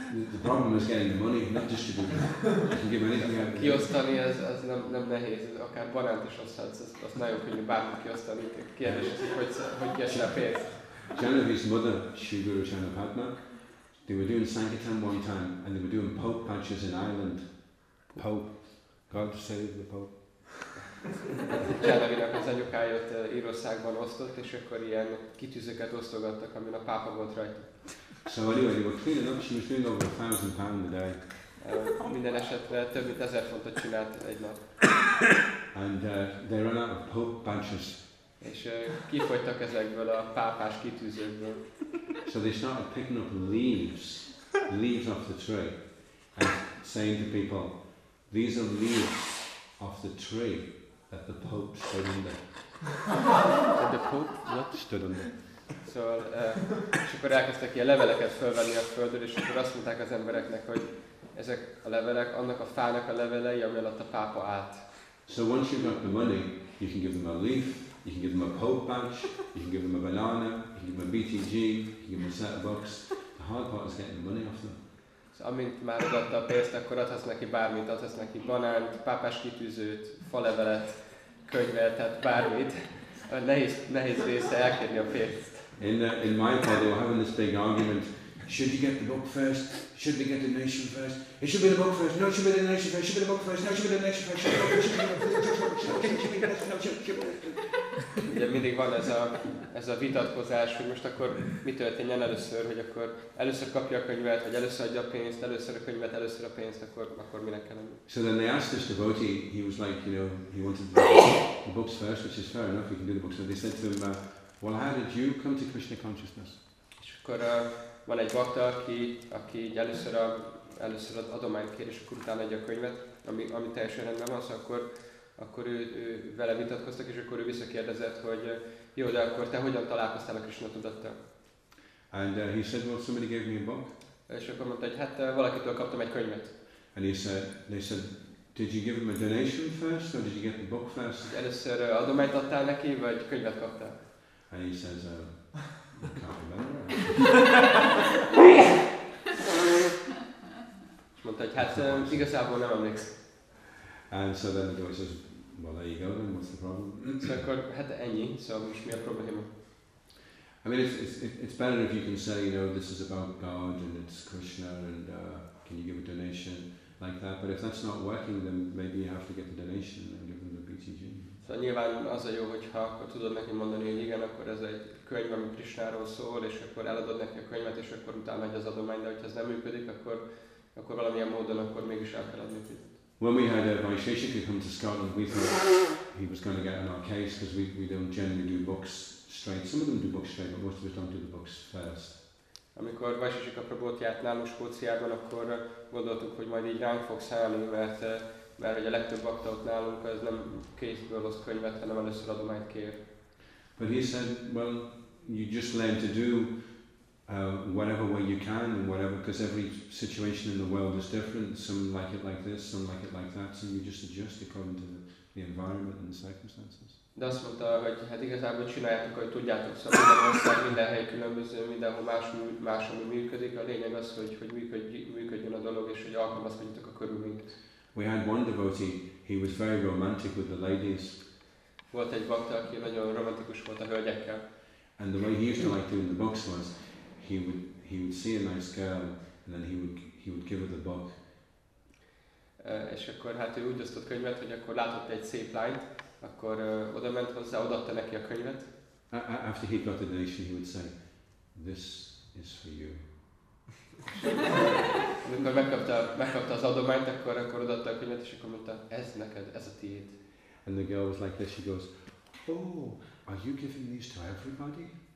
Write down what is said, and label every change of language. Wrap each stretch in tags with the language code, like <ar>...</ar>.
<en>The problem is getting the money, not distributing. You can give anything out.</en> <hu>Kiosztani az nem nehéz. Akár banánt is osztatsz, az nagyon könnyű, bármit kiosztani. Kérdés az, hogy kiesne a pénz.</hu> <en>Genevieve's mother, Sri Guru Chandrapadma, they were doing Sankirtan one time, and they were doing Pope patches in Ireland. Pope. God save the Pope.</en> <hu>Genevieve-nek az anyukája ott Írországban osztott, és akkor ilyen kitűzöket osztogattak, amin a pápa volt rajta.</hu> <en>So anyway, we're cleaning up, she was doing over £1,000 a day.</en> <hu>Minden esetre több mint 1,000 fontot csinált egy nap.</hu> <en>And they ran out of Pope badges.</en> <hu>És kifogytak ezekből a pápás kitűzőkből.</hu> <en>So they started picking up leaves off the tree, and saying to people, these are leaves of the tree that the Pope stood under. That the Pope what? Stood under.</en> <hu>Szóval, és akkor elkezdtek ilyen leveleket fölvenni a földről, és akkor azt mondták az embereknek, hogy ezek a levelek, annak a fának a levelei, ami alatt a pápa állt.</hu> <en>So once you've got the money, you can give them a leaf, you can give them a Pope badge, you can give them a banana, you can give them a BTG, you can give them a set of books. The hard part is getting the money off them.</en> <hu>Amint már adta a pénzt, akkor adhatsz neki bármit, adhatsz neki banánt, pápás kitűzőt, falevelet, könyvet, tehát bármit. A nehéz része elkérni a pénzt.</hu> <en>In my part, they were having this big argument. Should you get the book first? Should we get the nation first? It should be the book first. No, it should be the nation first. Should be the book first. No, it should be the nation first. Should be the book first.</en> <hu>Ugye mindig van ez a vitatkozás, hogy most akkor mi történjen először, hogy akkor először kapja a könyvet, vagy először adja a pénzt, először a könyvet, először a pénzt, akkor minek kellene.</hu> <en>So then they asked this devotee, he was like, you know, he wanted the books first, which is fair enough, you can do the books first. They said to him, well, how did you come to Krishna consciousness?</en> <hu>És akkor van egy bakta, aki először adományt kér, és akkor utána adja a könyvet, ami teljesen rendben van, akkor ő vele vitatkoztak, és akkor ő visszakérdezett, hogy jó, de akkor te hogyan találkoztál a Krishna tudattal?</hu> <en>And he said, well, somebody gave me a book.</en> <hu>És akkor mondta, hogy hát valakitől kaptam egy könyvet.</hu> <en>And they said, did you give him a donation first, or did you get the book first?</en> <hu>Először adományt adtál neki, vagy könyvet kaptál?</hu> <en>And he says, I can't remember.</en> <hu>hát igazából nem emlékszem.</hu> <en>And so then the guy says, well, there you go then, what's the problem?</en> <hu>So akkor hát ennyi, szóval most mi a probléma?</hu> <en>I mean, it's better if you can say, you know, this is about God and it's Krishna and can you give a donation like that? But if that's not working, then maybe you have to get the donation and give them the BTG.</en> <hu>So nyilván az a jó, hogyha akkor tudod neki mondani, hogy igen, akkor ez egy könyv, ami Krishnáról szól, és akkor eladod neki a könyvet, és akkor utána megy az adomány, de hogyha ez nem működik, akkor valamilyen módon akkor mégis el kell adni.</hu> <en>When we had a Vaisheshika come to Scotland, we thought he was going to get on our case because we don't generally do books straight. Some of them do books straight, but most of us don't do the books first.</en> <hu>Amikor Vaisheshika Prabhut járt nálunk Skóciában, akkor gondoltuk, hogy majd így ránk fog szállni, mert hogy a legtöbb bakta ott nálunk, ez nem kézből hoz könyvet, hanem először adományt kér.</hu> <en>But he said, well, you just learn to do whatever way you can and whatever, because every situation in the world is different. Some like it like this, some like it like that. So you just adjust according to the environment and the circumstances.</en> <hu>De azt mondta, hogy hát igazából csináljátok, hogy tudjátok, szóval minden ország, minden hely különböző, mindenhol más, ami működik. A lényeg az, hogy működjön a dolog, és hogy alkalmazkodjatok a körülményt.</hu> <en>We had one devotee, he was very romantic with the ladies.</en> <hu>Volt egy bakta, aki nagyon romantikus volt a hölgyekkel.</hu> <en>And the way he used to like doing the books was, he would see a nice girl and then he would give her the book.</en> <hu>És akkor hát ő úgy osztott könyvet, hogy akkor látott egy szép lányt, akkor oda ment hozzá, odaadta neki a könyvet.</hu> <en>After he got the donation, he would say, this is for you.</en> <hu>Amikor megkapta az adományt, akkor odaadta a könyvet, és akkor mondta, ez neked, ez a tiéd.</hu> <en>And the girl was like this, she goes, oh, are you giving these to everybody?</en>